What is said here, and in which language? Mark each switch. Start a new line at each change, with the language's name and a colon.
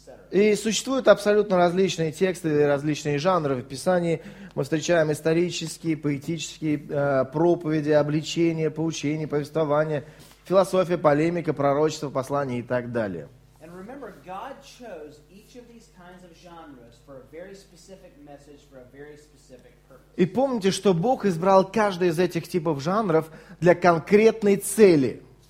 Russian: И существуют абсолютно различные тексты и различные жанры в Писании. Мы встречаем исторические, поэтические проповеди, обличения, поучения, повествования, философия, полемика, пророчество, послание и так далее.
English: And remember, God chose each of these kinds of genres for a very specific message for a very specific purpose.
Russian: И помните, что Бог избрал каждый из этих типов жанров для конкретной цели.